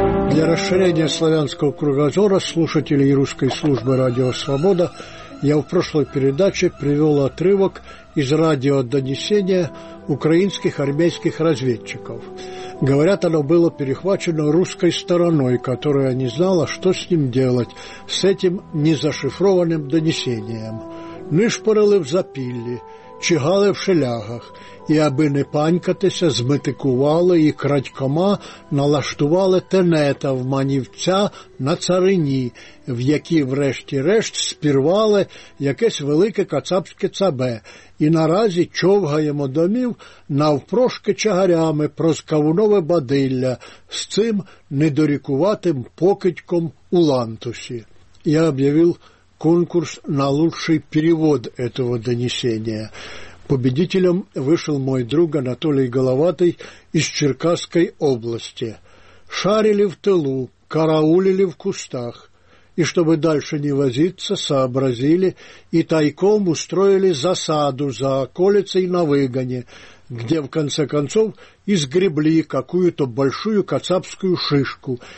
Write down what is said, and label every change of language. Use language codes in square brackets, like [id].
[ru] Для расширения славянского кругозора слушателей русской службы «Радио «Свобода» я в прошлой передаче привел отрывок из радиодонесения украинских армейских разведчиков. Говорят, оно было перехвачено русской стороной, которая не знала, что с ним делать, с этим незашифрованным донесением. [uk] Нишпорили в запилі, чигали в шелягах, і аби не панькатися, змитикували і крадькома налаштували тенета в манівця на царині, в якій врешті-решт спірвали якесь велике кацапське цабе, і наразі човгаємо домів навпрошки чагарями про скавунове бадилля з цим недорікуватим покидьком у лантусі. [ru] Я об'явив конкурс на лучший перевод этого донесения. Победителем вышел мой друг Анатолий Головатый из Черкасской области. Шарили в тылу, караулили в кустах. И чтобы дальше не возиться, сообразили и тайком устроили засаду за околицей на выгоне, где в конце концов изгребли какую-то большую кацапскую шишку.